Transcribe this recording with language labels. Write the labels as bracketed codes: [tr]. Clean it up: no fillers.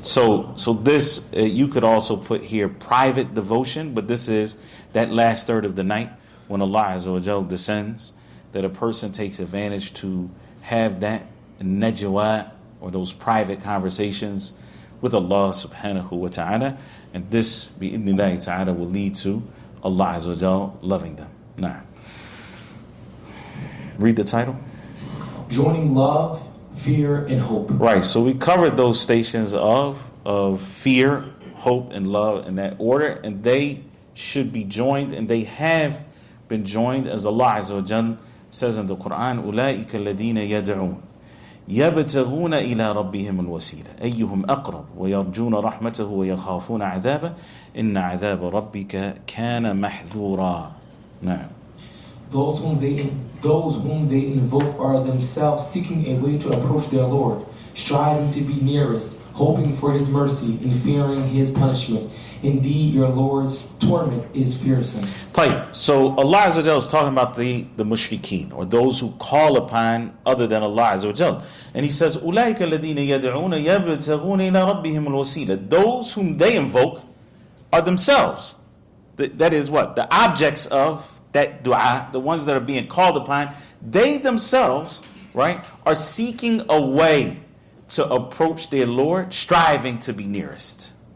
[en] So this, you could also put here private devotion, but this is that last third of the night when Allah Azza wa Jalla descends, that a person takes advantage to have that najwa, or those private conversations with Allah subhanahu wa ta'ala, and this, bi'idhnillahi ta'ala, will lead to Allah Azza wa Jalla loving them. Now, read the title. Joining love, fear, and hope. Right, so we covered those stations of fear, hope, and love in that order, and they should be joined, and they have been joined, as Allah Azza wa Jal says in the Quran, [ar] أُولَٰئِكَ الَّذِينَ يَدْعُونَ يَبْتَغُونَ إِلَىٰ رَبِّهِمُ الْوَسِيلَةَ أَيُّهُمْ أَقْرَبُ وَيَرْجُونَ رَحْمَتَهُ وَيَخَافُونَ عَذَابَ إِنَّ عَذَابَ رَبِّكَ كَانَ مَحْذُورًا. نعم. [en] Those whom they invoke are themselves seeking a way to approach their Lord, striving to be nearest, hoping for His mercy and fearing His punishment. Indeed, your Lord's torment is fearsome. [ar] طيب. [en] So Allah Azza wa Jal is talking about the mushrikeen, or those who call upon other than Allah Azza wa Jal. And He says, [ar] أُولَٰئِكَ الَّذِينَ يَدْعُونَ يَبْتَغُونَ إِلَىٰ رَبِّهِمُ الْوَسِيلَةِ. [en] Those whom they invoke are themselves. That is what? The objects of that dua, the ones that are being called upon, they themselves, right, are seeking a way to approach their Lord, striving to be nearest.